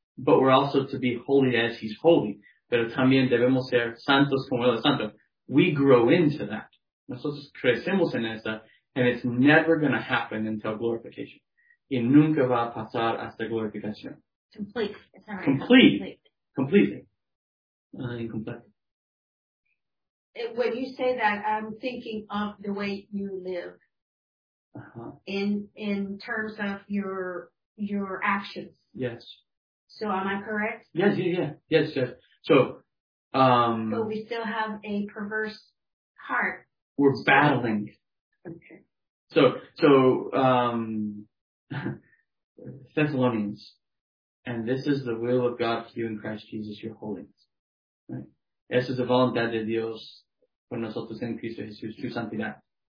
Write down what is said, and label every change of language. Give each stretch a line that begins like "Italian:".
English: But we're also to be holy as He's holy.
Spanish: Pero también debemos ser santos como Él es santo.
English: We grow into that.
Spanish: Nosotros crecemos en esa,
English: and it's never going to happen until glorification.
Spanish: Y nunca va a pasar hasta glorificación.
English: Complete. It's not right. Complete. Completely. Incomplete. When you say that, I'm thinking of the way you live. Uh-huh. In terms of your actions. Yes. So am I correct? Yes. So. But we still have a perverse heart. We're battling. Okay. So, Thessalonians, and this is the will of God for you in Christ Jesus, your holiness. Right.
Spanish: Esa es la voluntad de Dios por nosotros en Cristo Jesús, su santidad.